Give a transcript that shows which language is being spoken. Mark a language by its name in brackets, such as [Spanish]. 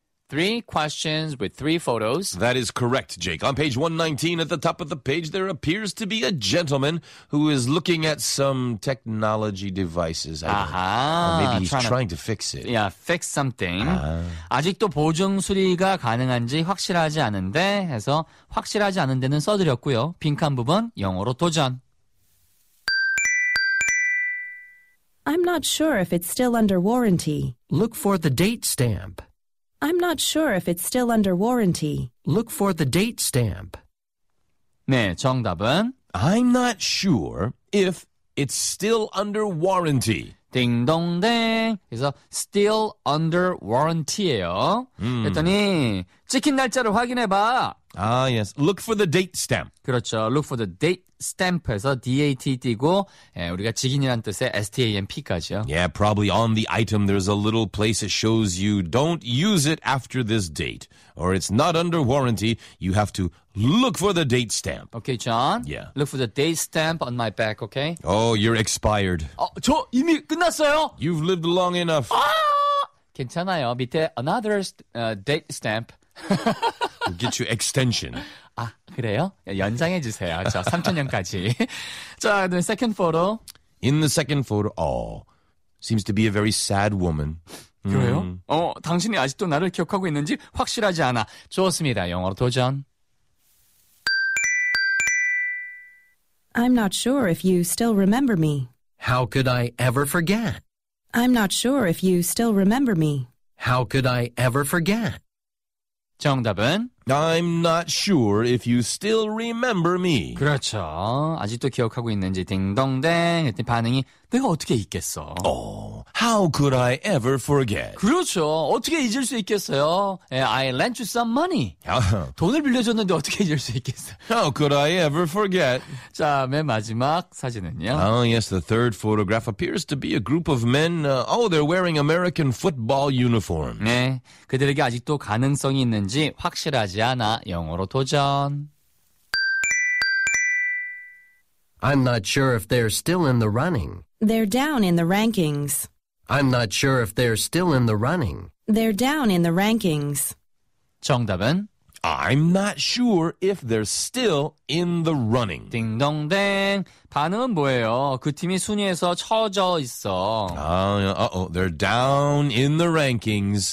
[English] Three questions with three photos. That is correct, Jake. On page 119 at the top of the page, there appears to be a gentleman who is looking at some technology devices. Maybe he's trying to fix it. Yeah, fix something. Uh-huh. [Korean] 아직도 보증 수리가 가능한지 확실하지 않은데 해서 확실하지 않은 데는 써드렸고요. 빈칸 부분 영어로 도전. [English] I'm not sure if it's still under warranty. Look for the date stamp. I'm not sure if it's still under warranty. Look for the date stamp. [Korean] 네, 정답은? [English] I'm not sure if It's still under warranty. [Korean] 딩동댕. 그래서 [English] still under warranty [Korean] 예요. 그랬더니 찍힌 날짜를 확인해봐. [English] Ah, yes. Look for the date stamp. [Korean] 그렇죠. [English] Look for the date stamp [Korean] 해서 D-A-T-D고 예, 우리가 직인이란 뜻의 S-T-A-M-P까지요. [English] Yeah, probably on the item there's a little place that shows you don't use it after this date. Or it's not under warranty. You have to look for the date stamp. Okay, John. Yeah. Look for the date stamp on my back, okay? Oh, you're expired. [Korean] 어, 저 이미 끝났어요. [English] You've lived long enough. [Korean] 아! 괜찮아요. 밑에 [English] another date stamp. We'll get you extension. [Korean] 아, 그래요? 연장해 주세요. 저 3000년까지. 자, 그다음에 [English] second photo. In the second photo, oh, seems to be a very sad woman. [Korean] 그래요? 어, 당신이 아직도 나를 기억하고 있는지 확실하지 않아. 좋습니다. 영어로 도전. [English] I'm not sure if you still remember me. How could I ever forget? I'm not sure if you still remember me. How could I ever forget? [Korean] 정답은? [English] I'm not sure if you still remember me. [Korean] 그렇죠. 아직도 기억하고 있는지 딩동댕 했더니 반응이 내가 어떻게 잊겠어. [English] Oh, how could I ever forget? [Korean] 그렇죠. 어떻게 잊을 수 있겠어요? [English] I lent you some money. [Korean] 돈을 빌려줬는데 어떻게 잊을 수 있겠어요? [English] How could I ever forget? [Korean] 자, 맨 마지막 사진은요? [English] Oh, yes, the third photograph appears to be a group of men. Oh, they're wearing American football uniforms. [Korean] 네, 그들에게 아직도 가능성이 있는지 확실하게 하지 않아. 영어로 도전. [English] I'm not sure if they're still in the running. They're down in the rankings. I'm not sure if they're still in the running. They're down in the rankings. [Korean] 정답은 [English] I'm not sure if they're still in the running. [Korean] 딩동댕. 반응은 뭐예요? 그 팀이 순위에서 처져 있어. [English] Uh-oh, they're down in the rankings.